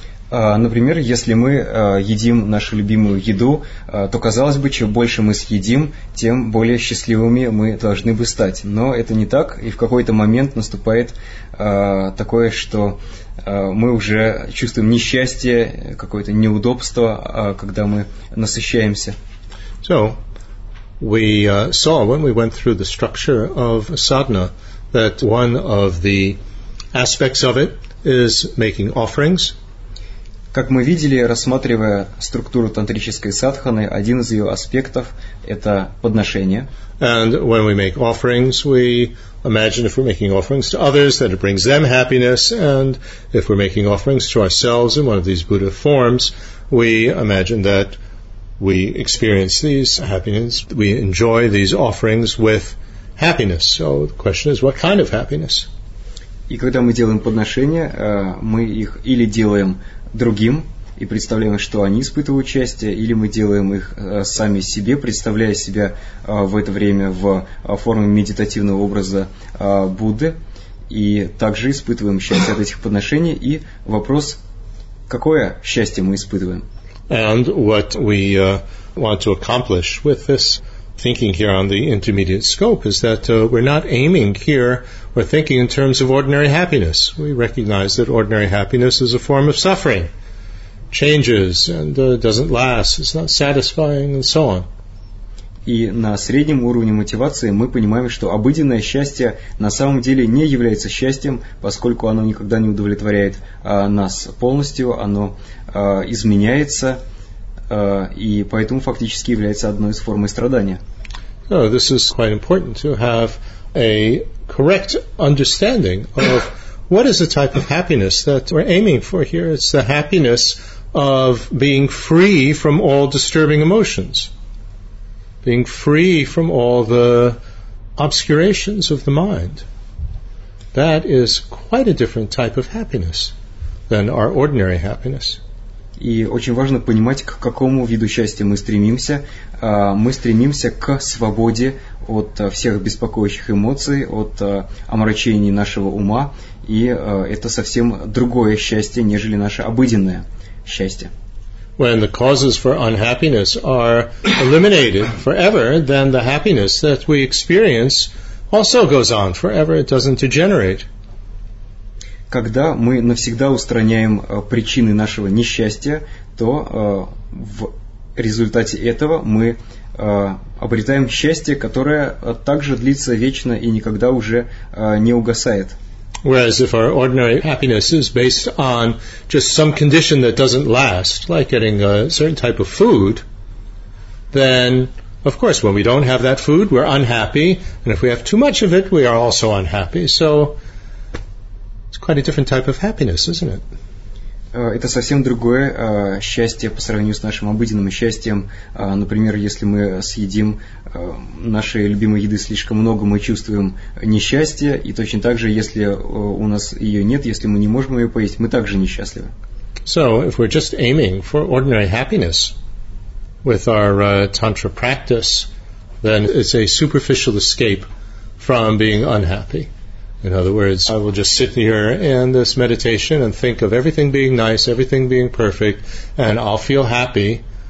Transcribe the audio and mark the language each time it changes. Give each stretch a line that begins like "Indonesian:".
Russian: Например, если мы едим нашу любимую еду, то казалось бы, чем больше мы съедим, тем более счастливыми мы должны бы стать. Но это не так, и в какой-то момент наступает такое, что мы уже чувствуем несчастье, какое-то неудобство, когда мы насыщаемся.
English: So, we saw when we went through the structure of sadhana that one of the aspects of it is making offerings.
Russian: Как мы видели, рассматривая структуру тантрической садханы, один из ее аспектов – это подношение.
English: And when we make offerings, we imagine if we're making offerings to others, that it brings them happiness. And if we're making offerings to ourselves in one of these Buddha forms, we imagine that we experience these happiness. We enjoy these offerings with happiness. So the question is, what kind of happiness?
Russian: И когда мы делаем подношения, мы их или делаем другим и представляем, что они испытывают счастье, или мы делаем их сами себе, представляя себя в это время в форме медитативного образа Будды, и также испытываем счастье от этих подношений. И вопрос, какое счастье мы испытываем?
English: And what we want to accomplish with this thinking here on the intermediate scope is that we're not aiming here. We're thinking in terms of ordinary happiness. We recognize that ordinary happiness is a form of suffering, changes, and doesn't last, it's not satisfying, and so on.
Russian: И на среднем уровне мотивации мы понимаем, что обыденное счастье на самом деле не является счастьем, поскольку оно никогда не удовлетворяет нас полностью, оно изменяется, и поэтому фактически является одной из форм страдания.
English: So this is quite important to have a correct understanding of what is the type of happiness that we're aiming for here. It's the happiness of being free from all disturbing emotions, being free from all the obscurations of the mind. That is quite a different type of happiness than our ordinary happiness.
Russian: И очень важно понимать, к какому виду счастья мы стремимся. Мы стремимся к свободе от всех беспокоящих эмоций, от омрачений нашего ума. И это совсем другое счастье, нежели наше обыденное счастье.
English: When the causes for unhappiness are eliminated forever, then the happiness that we experience also goes on forever. It doesn't degenerate.
Russian: Когда мы навсегда устраняем причины нашего несчастья, то в результате этого мы обретаем счастье, которое также длится вечно и никогда уже не угасает.
English: Whereas if our ordinary happiness is based on just some condition that doesn't last, like getting a certain type of food, then, of course, when we don't have that food, we're unhappy, and if we have too much of it, we are also unhappy. So it's quite a different type of happiness, isn't it?
Russian: Это совсем другое счастье по сравнению с нашим обыденным счастьем. Например, если мы съедим нашей любимой еды слишком много, мы чувствуем несчастье. И точно так же, если у нас ее нет, если мы не можем ее поесть, мы также несчастливы.
English: So, if we're just aiming for ordinary happiness with our tantra practice, then it's a superficial escape from being unhappy. In other words, I will just sit here in this meditation and think of everything being nice, everything being perfect, and I'll feel happy.